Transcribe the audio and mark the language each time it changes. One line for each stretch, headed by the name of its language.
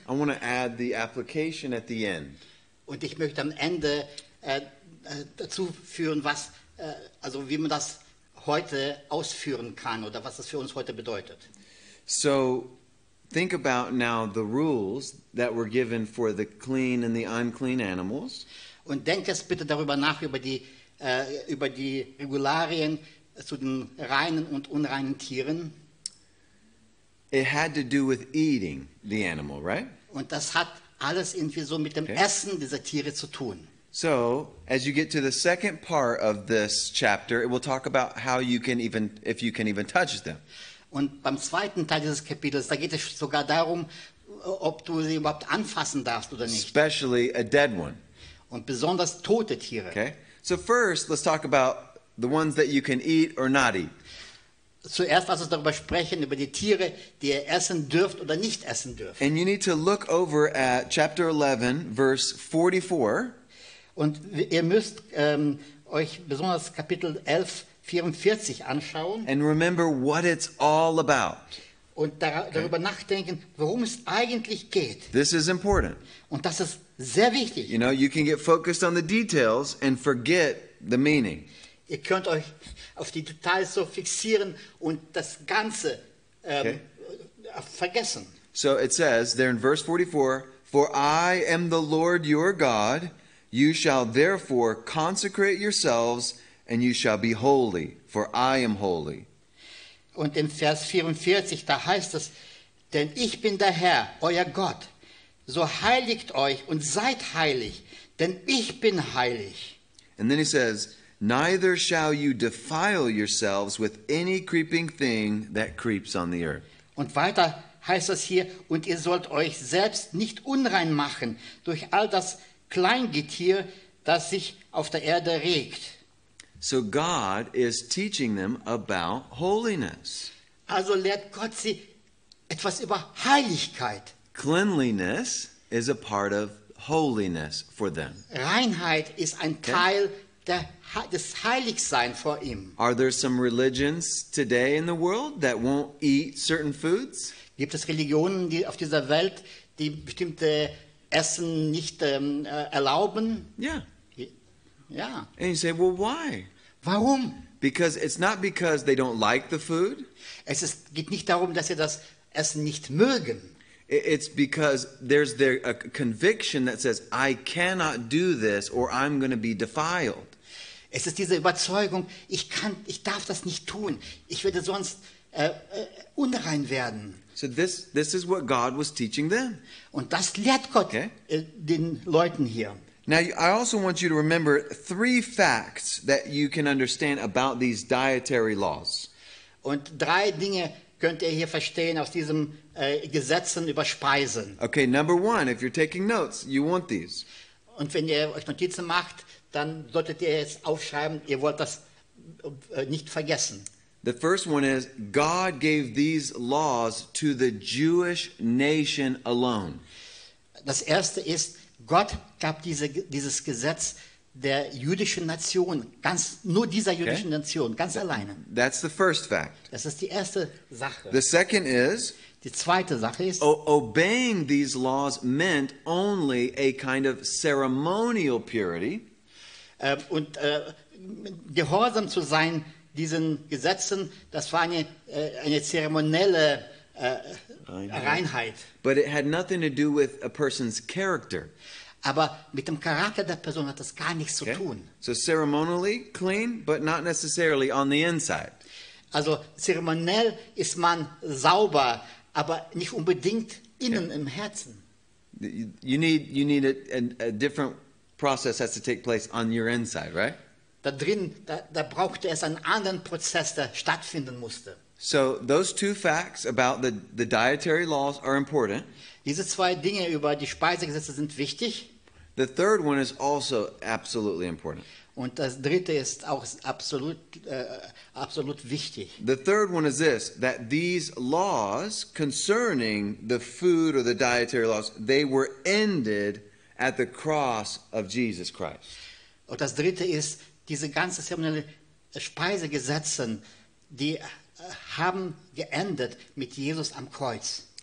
English: I want to add the application at the end.
German: Und ich möchte am Ende dazu führen, was also wie man das heute ausführen kann oder was das für uns heute bedeutet.
English: So think about now the rules that were given for the clean and the unclean animals.
German: Und denk jetzt bitte darüber nach, über die Regularien zu den reinen und unreinen Tieren.
English: It had to do with eating the animal, right?
German: Und das hat alles irgendwie so mit dem Essen dieser Tiere zu tun.
English: So, as you get to the second part of this chapter, it will talk about how you can even, if you can even touch them.
German: Und beim zweiten Teil dieses Kapitels, da geht es sogar darum, ob du sie überhaupt anfassen darfst oder nicht.
English: Especially a dead one.
German: Und besonders tote Tiere.
English: Okay. So first, let's talk about the ones that you can eat or not eat.
German: Zuerst lass uns darüber sprechen, über die Tiere, die ihr essen dürft oder nicht essen dürft.
English: And you need to look over at chapter 11, verse 44.
German: Und ihr müsst euch besonders Kapitel 11, 44 anschauen.
English: And remember what it's all about.
German: Und darüber nachdenken, worum es eigentlich geht.
English: This is important.
German: Und das ist sehr wichtig.
English: You know, you can get focused on the details and forget the meaning.
German: Ihr könnt euch auf die Details so fixieren und das Ganze vergessen.
English: So it says there in verse 44, "For I am the Lord your God, you shall therefore consecrate yourselves and you shall be holy, for I am holy."
German: Und im Vers 44, da heißt es, denn ich bin der Herr, euer Gott. So heiligt euch und seid heilig, denn ich bin heilig.
English: And then he says, neither shall you defile yourselves with any creeping thing that creeps on the earth.
German: Und weiter heißt es hier, und ihr sollt euch selbst nicht unrein machen durch all das Kleingetier, das sich auf der Erde regt.
English: So God is teaching them about holiness.
German: Also lehrt Gott sie etwas über Heiligkeit.
English: Cleanliness is a part of holiness for them.
German: Reinheit ist ein Teil des Heiligseins vor ihm.
English: Are there some religions today in the world that won't eat certain foods?
German: Gibt es Religionen auf dieser Welt, die bestimmte Essen nicht erlauben?
English: Yeah. Yeah. And you say, well, why?
German: Warum?
English: Because it's not because they don't like the food.
German: Es ist, geht nicht darum, dass sie das Essen nicht mögen.
English: It's because there's a conviction that says, I cannot do this or I'm going to be defiled.
German: Es ist diese Überzeugung, ich darf das nicht tun. Ich werde sonst unrein werden.
English: So this is what God was teaching them.
German: Und das lehrt Gott den Leuten hier.
English: Now, I also want you to remember three facts that you can understand about these dietary laws.
German: Und drei Dinge könnt ihr hier verstehen aus diesen Gesetzen über Speisen.
English: Okay, number one, if you're taking notes, you want these.
German: Und wenn ihr euch Notizen macht, dann solltet ihr es aufschreiben, ihr wollt das nicht vergessen.
English: The first one is, God gave these laws to the Jewish nation alone.
German: Das erste ist, Gott gab dieses Gesetz der jüdischen Nation, nur dieser jüdischen Nation, alleine.
English: That's the first fact.
German: Das ist die erste Sache.
English: The second is,
German: die zweite Sache ist,
English: obeying these laws meant only a kind of ceremonial purity.
German: Und gehorsam zu sein diesen Gesetzen, das war eine zeremonielle Reinheit.
English: But it had nothing to do with a person's character.
German: Aber mit dem Charakter der Person hat das gar nichts zu tun.
English: So ceremonially clean, but not necessarily on the inside.
German: Also zeremoniell ist man sauber, aber nicht unbedingt innen im Herzen.
English: You need a different process has to take place on your inside, right?
German: Da drin, da brauchte es einen anderen Prozess, der stattfinden musste.
English: So those two facts about the dietary laws are important.
German: Diese zwei Dinge über die Speisegesetze sind wichtig.
English: The third one is also absolutely important.
German: Und das dritte ist auch absolut absolut wichtig.
English: The third one is this, that these laws concerning the food or the dietary laws, they were ended at the cross of Jesus Christ.
German: Und das dritte ist, diese ganzen zeremoniellen Speisegesetze, die haben geendet mit Jesus am Kreuz.